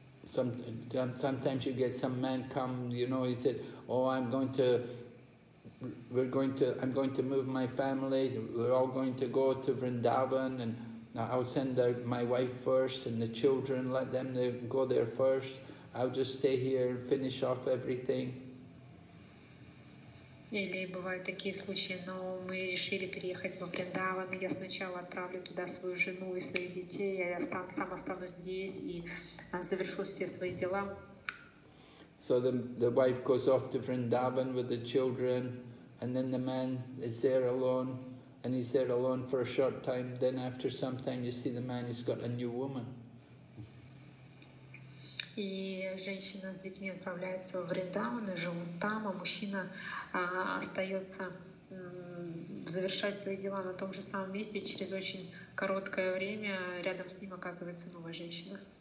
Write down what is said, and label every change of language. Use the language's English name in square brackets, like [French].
[English] Sometimes you get some man come, you know, he said, oh, I'm going to I'm going to move my family. We're all going to go to Vrindavan, and I'll send my wife first and the children, let them go there first. I'll just stay here and finish off everything. [Russian] Или бывают такие случаи, но мы решили переехать во Вриндаван. Я сначала отправлю туда свою жену и своих детей, я сам останусь здесь и завершу все свои дела. [English] So the wife goes off to Vrindavan with the children, and then the man is there alone, and he's there alone for a short time. Then after some time, you see the man has got a new woman. [Russian] И женщина с детьми отправляется в Вриндаван и живут там, а мужчина остается завершать свои дела на том же самом месте. Через очень короткое время рядом с ним оказывается новая женщина.